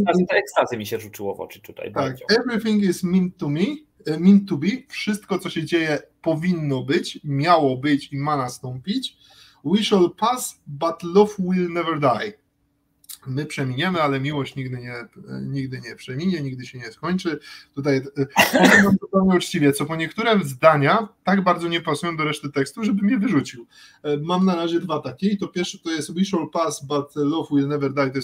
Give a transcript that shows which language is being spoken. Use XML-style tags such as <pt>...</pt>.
<pl>Ekstazy mi się rzuciło w oczy tutaj. Tak,</pl> <en>everything is meant to be,</en> <pl>wszystko co się dzieje powinno być, miało być i ma nastąpić.</pl> <en>We shall pass, but love will never die.</en> <pl>My przeminiemy, ale miłość nigdy nie przeminie, nigdy się nie skończy. Tutaj powiem wam zupełnie uczciwie, co po niektóre zdania tak bardzo nie pasują do reszty tekstu, żeby mnie wyrzucił. Mam na razie dwa takie. I to pierwsze to jest</pl> <en>we shall pass, but love will never die.</en>